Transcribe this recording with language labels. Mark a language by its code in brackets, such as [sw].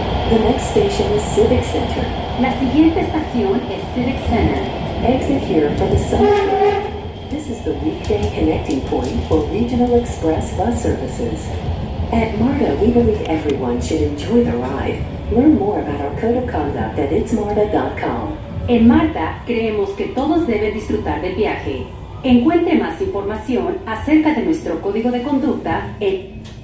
[en] The next station is Civic Center. [es] La siguiente estación es Civic Center. [en] Exit here for the summer. This is the weekday connecting point for regional express bus services. At MARTA, we believe everyone should enjoy the ride. Learn more about our code of conduct at itsmarta.com. [es] En MARTA, creemos que todos deben disfrutar del viaje. Encuentre más información acerca de nuestro código de conducta en...